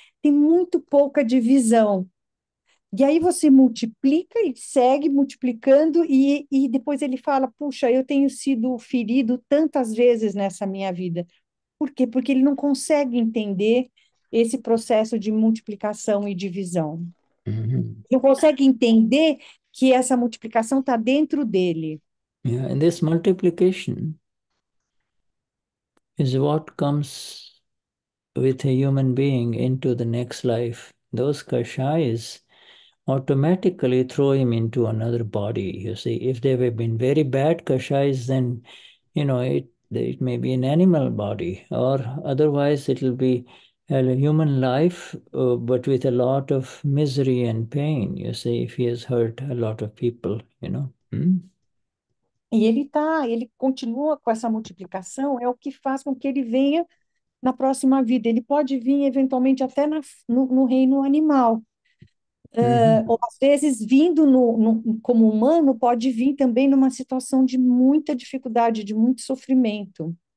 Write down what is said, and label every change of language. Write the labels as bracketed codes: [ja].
[pt] Tem muito pouca divisão. E aí você multiplica e segue multiplicando e depois ele fala, puxa, eu tenho sido ferido tantas vezes nessa minha vida. Por quê? Porque ele não consegue entender esse processo de multiplicação e divisão. Ele consegue entender que essa multiplicação está dentro dele. [en] And this multiplication is what comes with a human being into the next life. Those kashayas automatically throw him into another body. You see, if they have been very bad kashayas, then it may be an animal body, or otherwise it'll be a human life, but with a lot of misery and pain. You see, if he has hurt a lot of people, [pt] E ele continua com essa multiplicação, é o que faz com que ele venha na próxima vida. Ele pode vir eventualmente até no reino animal. Ou às vezes, vindo como humano, pode vir também numa situação de muita dificuldade, de muito sofrimento.